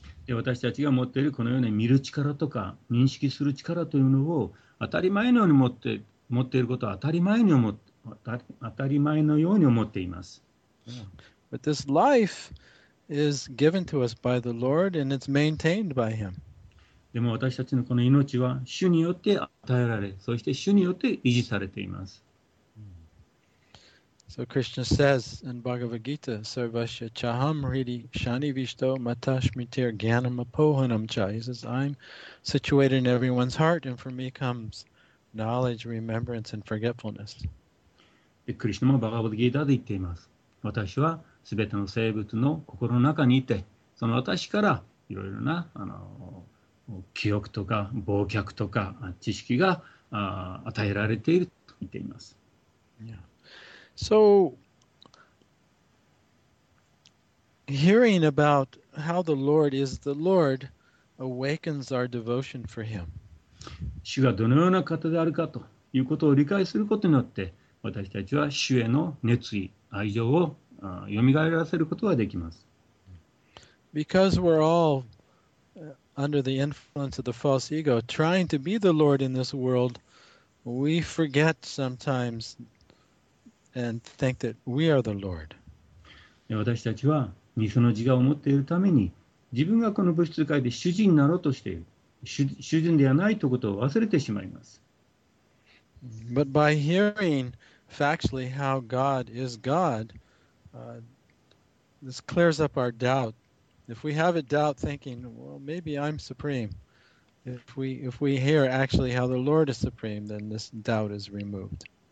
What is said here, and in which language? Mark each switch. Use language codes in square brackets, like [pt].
[ja] 私たちが持っているこのように見る力とか認識する力というのを当たり前のように持っていることは当たり前のように思っています。 [en] But this life is given to us by the Lord and it's maintained by Him. [ja] でも私たちのこの命は主によって与えられ、そして主によって維持されています。 [en] So Krishna says in Bhagavad Gita, [sa] Sarvasya Chaham Riti Shani Vishto Matashmitir Gyanam Apohanam Cha. [en] He says, I'm situated in everyone's heart and for me comes knowledge, remembrance and forgetfulness. [ja] で、クリシュナもバガヴァギータで言っています。私はすべての生物の心の中にいて、その私からいろいろな記憶とか忘却とか知識が与えられていると言っています。 [en] Yeah. So, hearing about how the Lord is the Lord awakens our devotion for Him. [ja] 主がどのような方であるかということを理解することによって、私たちは主への熱意、愛情を蘇らせることができます。 [en] Because we're all under the influence of the false ego, trying to be the Lord in this world, we forget sometimes and think that we are the Lord. [ja] 私たちは偽の自我を持っているために、自分がこの物質界で主人になろうとしている、主人ではないということを忘れてしまいます。 [en] But by hearing factually how God is God, this clears up our doubt. If we have a doubt thinking, well, maybe I'm supreme. If we hear actually how the Lord is supreme, then this doubt is removed.